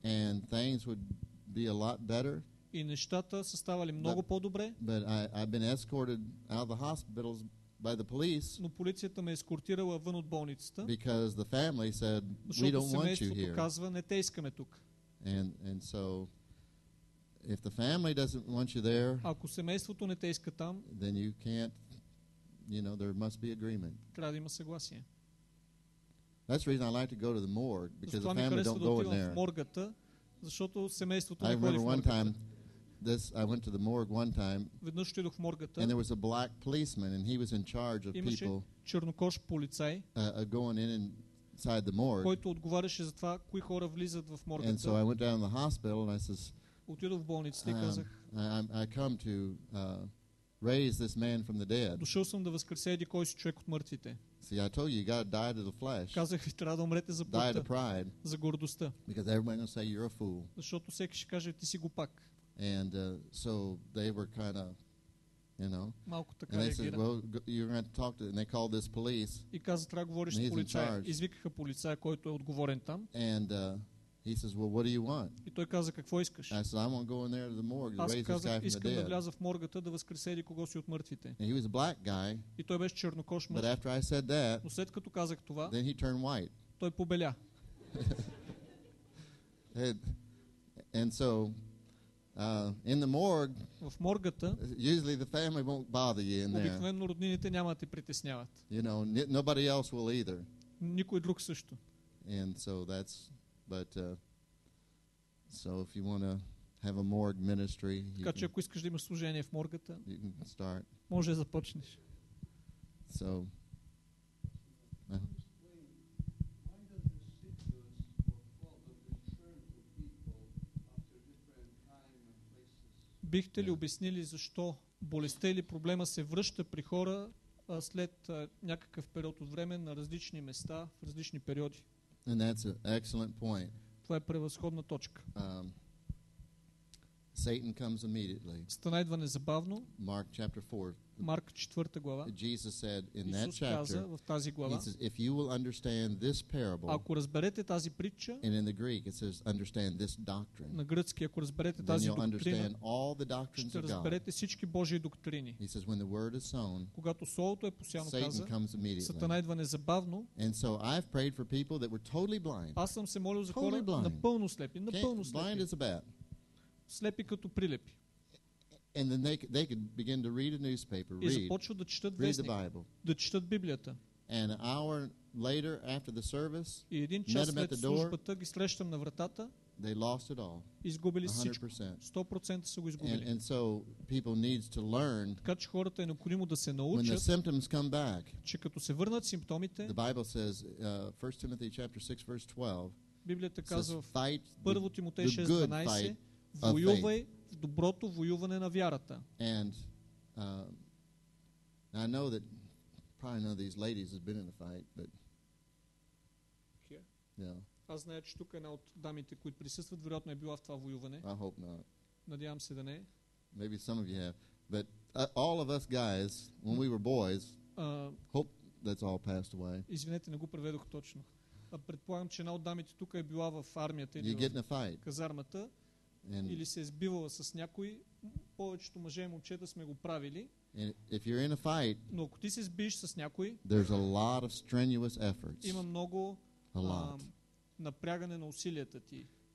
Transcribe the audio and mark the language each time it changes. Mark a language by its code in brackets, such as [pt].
[en] And things would be a lot better. [bg] И нещата са ставали много по-добре. [en] But I've been escorted out of the hospitals by the police. [bg] Но полицията ме е ескортирала вън от болницата. [en] Because the family said we don't want you here. [bg] Защото казва, не те искаме тук. [en] And so if the family doesn't want you there, [bg] ако семейството не те иска там, [en] then you can't, you know, there must be agreement. [bg] Трябва да има съгласие. [en] That's the reason I like to go to the morgue, because the family don't go in there. [bg] Моргата, защото семейството не ходи в моргата. [en] I went to the morgue one time. [bg] Веднъж отидох в моргата. [en] And there was a black policeman and he was in charge of people. [bg] Имаше чернокож полицай. [en] Going in inside the morgue. [bg] Който отговаряше за това кои хора влизат в моргата. [en] And so I went down to the hospital and I says, [bg] отидох в болницата и казах, [en] I come to raise this man from the dead. [bg] Дошъл съм да възкреся един кой си човек от мъртвите. [en] See, I told you, you got to die to the flesh. [bg] Казах ви, трябва да умрете за плътта. [en] Die to pride. [bg] За гордостта. [en] Because everyone's gonna say you're a fool. [bg] Защото всеки ще каже, ти си глупак. [en] And so they were kind of, you know. [bg] Малко така реагира. [en] And they said, well, you're going to talk to, and they called this police. [bg] И каза, трябва да говориш с полицай. Извикаха полицая, който е отговорен там. [en] And he says, well, what do you want? [bg] И той каза, какво искаш? [en] I said, I want to go in there to the morgue to raise this guy from the dead. [bg] Аз казах, искам да вляза в моргата, да възкресе ли кого си от мъртвите. [en] And he was a black guy. [bg] И той беше чернокош мъж. [en] But after I said that, [bg] но след като казах това, [en] then he turned white. [bg] Той побеля. [en] And so, in the morgue, [bg] в моргата, [en] usually the family won't bother you in there. [bg] Обикновено роднините няма да те притесняват. [en] You know, nobody else will either. [bg] Никой друг също. [en] And so that's, but so if you want to have a morgue ministry, [bg] така че ако искаш да имаш служение в моргата, [en] you can start. [bg] Може да започнеш. [en] So, [bg] бихте ли обяснили защо болестта или проблема се връща при хора след някакъв период от време на различни места, в различни периоди? [en] And that's an excellent point. [bg] Това е превъзходна точка. [en] Satan comes immediately. [bg] Сатана идва незабавно. [en] Mark chapter 4. [bg] Марк 4 глава. [en] Jesus said in that chapter, [bg] в тази глава, [en] he says, if you will understand this parable, [bg] ако разберете тази притча, [en] and in the Greek it says, understand this doctrine, [bg] на гръцки, ако разберете тази доктрина, ще разберете всички Божии доктрини. [en] He says, when the word is sown, [bg] когато солото е посяно, [en] Satan comes immediately. [bg] Сатана идва незабавно. [en] And so I've prayed for people that were totally blind. [bg] Аз съм се молил за хора напълно слепи. Напълно слепи. [en] Blind is a bat. [bg] Слепи като прилепи. [en] And then they could begin to read a newspaper, read, read the Bible. [bg] Да четат Библията. [en] And an hour later after the service, [bg] и един час след службата ги срещам на вратата. [en] They lost it all. [bg] Изгубили са 100% са го изгубили. [en] And so people needs to learn. [bg] Така че хората е необходимо да се научат. [en] When the symptoms come back, [bg] че като се върнат симптомите. [en] The Bible says 1 Timothy chapter 6 verse 12. [bg] Библията казва в 1 Тимотей 6:12, воювай в доброто воюване на вярата. [en] And I know that probably none of these ladies has been in a fight, but [bg] аз знаех, че тук една от дамите, които присъстват, вероятно е била в това воюване. [en] I hope not. [bg] Надявам се да не. [en] Maybe some of you have, but all of us guys when we were boys, hope that's all passed away. [bg] Извинете, не го преведох точно. Предполагам, че една от дамите тук е била в армията или в казармата. And или се е сбивала с някой, повечето мъже и момчета сме го правили. [en] If you're in a fight, [bg] но ако ти се сбиеш с някой, [en] there's a lot of strenuous efforts. [bg] Има много [en] a lot. [bg] Напрягане на усилията ти.